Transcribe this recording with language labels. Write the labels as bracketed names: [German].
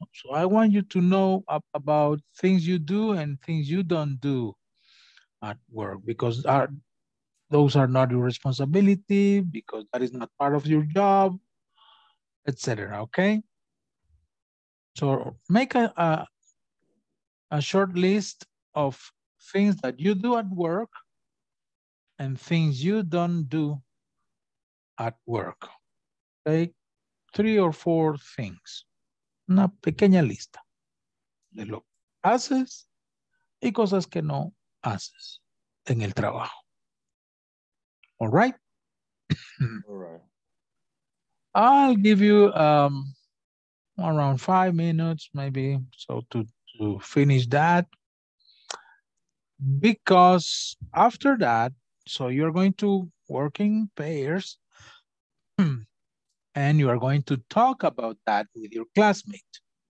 [English] So I want you to know about things you do and things you don't do at work, because those are not your responsibility, because that is not part of your job. etc. Okay. So make a short list of things that you do at work and things you don't do at work. Okay, three or four things. [Spanish] Una pequeña lista de lo que haces y cosas que no haces en el trabajo. [English] All right? All right. I'll give you around 5 minutes maybe so to finish that. Because after that, so you're going to work in pairs and you are going to talk about that with your classmate.